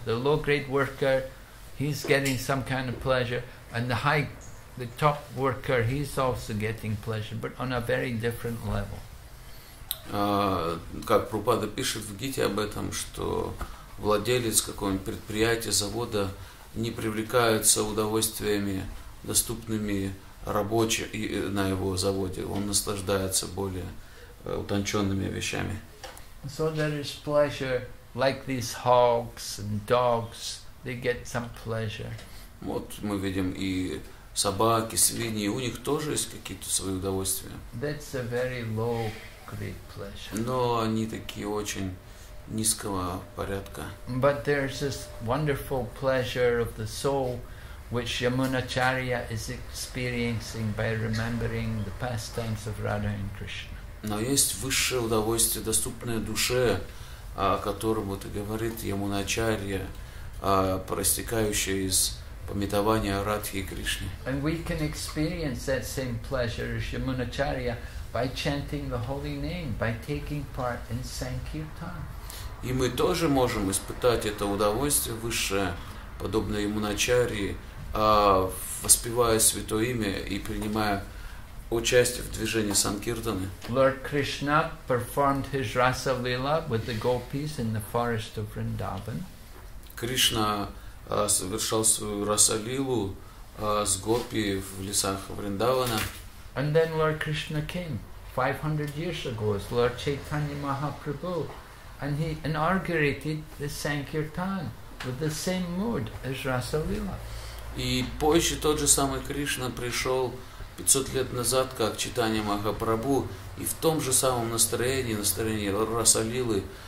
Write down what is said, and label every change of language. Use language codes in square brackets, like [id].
[en] The low grade worker, he's getting some kind of pleasure, and the top worker, he's also getting pleasure, but on a very different level. [ru] Как Прабхупада пишет в Гите об этом, что владелец какого-нибудь предприятия, завода не привлекаются удовольствиями, доступными рабочий на его заводе, он наслаждается более утонченными вещами. [en] So there is pleasure, like these hogs and dogs, they get some pleasure. [ru] Вот мы видим и собаки, свиньи, у них тоже есть какие-то свои удовольствия. [en] That's a very low grade pleasure. [ru] Но они такие очень низкого порядка. [en] But there's this wonderful pleasure of the soul, which Yamunacharya is experiencing by remembering the pastimes of Radha and Krishna. [ru] Но есть высшее удовольствие, доступное душе, о котором вот и говорит Ямуначарья, проистекающее из памятования Радхи и Кришны. [en] And we can experience that same pleasure as Yamunacharya by chanting the holy name, by taking part in Sankirtan. [ru] И мы тоже можем испытать это удовольствие высшее, подобное Ямуначарье, воспевая святое имя и принимая участие в движении Санкиртаны. [en] Lord Krishna performed his rasa lila with the gopis in the forest of Vrindavan. [ru] Кришна совершал свою раса лилу с гопи в лесах Вриндавана. [en] And then Lord Krishna came 500 years ago as Lord Chaitanya Mahaprabhu, and he inaugurated the Sankirtan with the same mood as rasa lila. [ru] И позже тот же самый Кришна пришел 500 лет назад, как Чайтанья Махапрабху, и в том же самом настроении, настроении Раса-лилы,